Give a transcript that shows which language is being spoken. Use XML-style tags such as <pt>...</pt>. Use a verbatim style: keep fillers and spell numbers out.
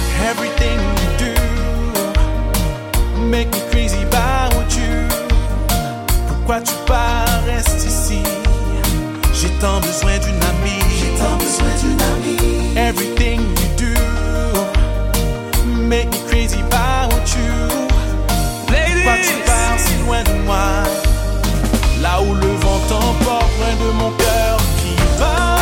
<en>Everything you do make me crazy about you.</en> <fr>Pourquoi tu pars, reste ici? J'ai tant besoin d'une amie. J'ai tant besoin d'une amie.</fr> <en>Everything you do make me crazy about you. Ladies.</en> <fr>Pourquoi tu pars si loin de moi, là où le vent t'emporte, loin de mon cœur qui bat.</fr>